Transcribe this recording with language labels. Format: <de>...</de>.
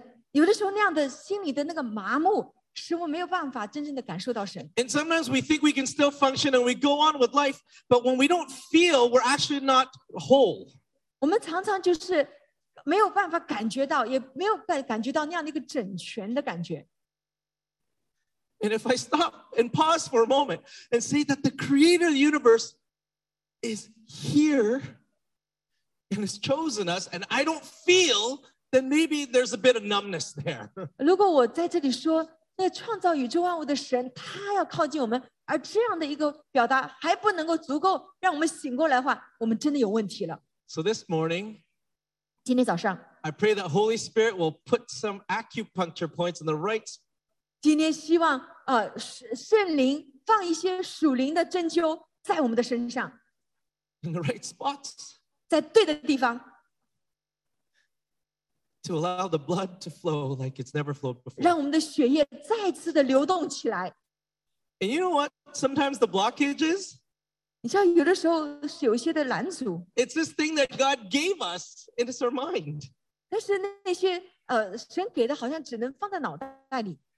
<zh>有的时候那样的心里的那个麻木, 使我没有办法真正的感受到神。</zh> <en>And sometimes we think we can still function and we go on with life, but when we don't feel, we're actually not whole.</en> <zh>我们常常就是没有办法感觉到，也没有感觉到那样的一个整全的感觉。</zh> <en>And if I stop and pause for a moment and say that the creator of the universe is here and has chosen us, and I don't feel, then maybe there's a bit of numbness there.</en> <zh>如果我在这里说, 那创造宇宙万物的神，他要靠近我们，而这样的一个表达还不能够足够让我们醒过来的话，我们真的有问题了。</zh> <en>So this morning,</en> <zh>今天早上</zh> <en>I pray that Holy Spirit will put some acupuncture points in the right.</en> <zh>今天希望圣灵放一些属灵的针灸在我们的身上</zh> <en>In the right spots.</en> <zh>在对的地方</zh> <en>To allow the blood to flow like it's never flowed before.</en> <zh>让我们的血液再次的流动起来</zh> <en>And you know what? Sometimes the blockage is.</en> <zh>你知道有的时候是有一些的拦阻</zh> <en>It's this thing that God gave us in His mind.</en> <zh>但是那些神给的好像只能放在脑袋里</zh>